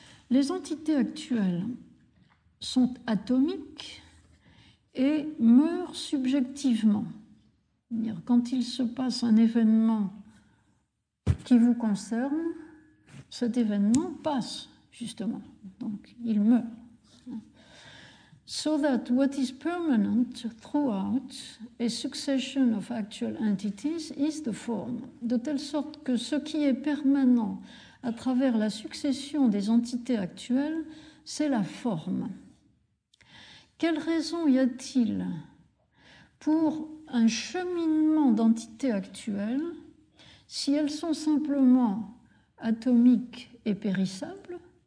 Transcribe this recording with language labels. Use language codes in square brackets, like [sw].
[fr] Les entités actuelles sont atomiques et meurent subjectivement. C'est-à-dire, quand il se passe un événement qui vous concerne, cet événement passe, justement. Donc, il meurt. [en] So that what is permanent throughout a succession of actual entities is the form. [fr] De telle sorte que ce qui est permanent à travers la succession des entités actuelles, c'est la forme. Quelle raison y a-t-il pour un cheminement d'entités actuelles si elles sont simplement atomiques et périssables?